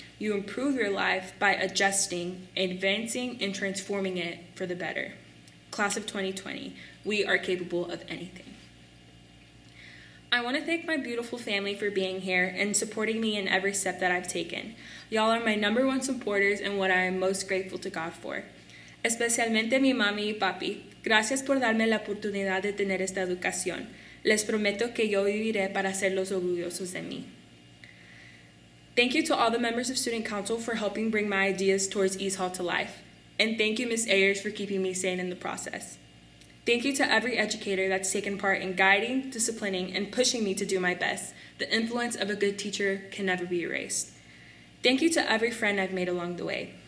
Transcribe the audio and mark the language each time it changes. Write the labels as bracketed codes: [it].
[en] You improve your life by adjusting, advancing, and transforming it for the better. Class of 2020, we are capable of anything. I want to thank my beautiful family for being here and supporting me in every step that I've taken. Y'all are my number one supporters and what I am most grateful to God for. [es] Especialmente mi mami y papi. Gracias por darme la oportunidad de tener esta educación. Les prometo que yo viviré para hacerlos orgullosos de mí. [en] Thank you to all the members of Student Council for helping bring my ideas towards East Hall to life. And thank you, Ms. Ayers, for keeping me sane in the process. Thank you to every educator that's taken part in guiding, disciplining, and pushing me to do my best. The influence of a good teacher can never be erased. Thank you to every friend I've made along the way.